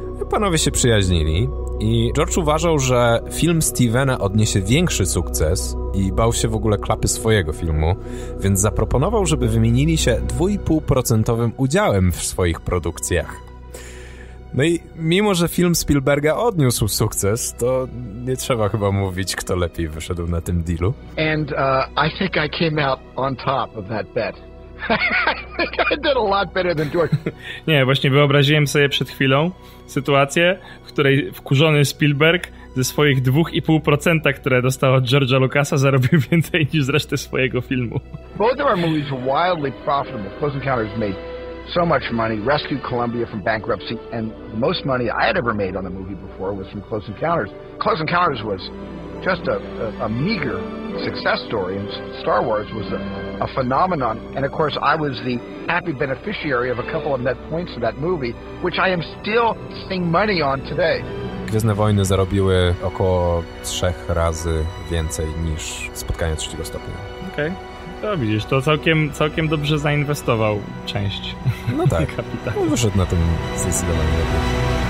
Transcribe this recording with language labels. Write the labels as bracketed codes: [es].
[pl] Panowie się przyjaźnili i George uważał, że film Stevena odniesie większy sukces i bał się w ogóle klapy swojego filmu, więc zaproponował, żeby wymienili się 2,5% udziałem w swoich produkcjach. No i mimo, że film Spielberga odniósł sukces, to nie trzeba chyba mówić, kto lepiej wyszedł na tym dealu. [en] I think I came out on top of that bet. I did a lot better than George. [pl] Nie, właśnie wyobraziłem sobie przed chwilą sytuację, w której wkurzony Spielberg ze swoich 2,5%, które dostał od George'a Lucasa, zarobił więcej niż z reszty swojego filmu. [en] Both of our movies were wildly profitable. Close Encounters made so much money, rescued Columbia from bankruptcy, and the most money I had ever made on a movie before was from Close Encounters. Close Encounters was just a meager success story, and Star Wars was a phenomenon, and of course I was the happy beneficiary of a couple of net points of that movie, which I am still seeing money on today. [pl] Gwiezdne Wojny zarobiły około 3 razy więcej niż Spotkanie trzeciego stopnia. Okej. To widzisz, to całkiem dobrze zainwestował część. No tak. Kapitału. Wyszedł na tym zdecydowanie lepiej.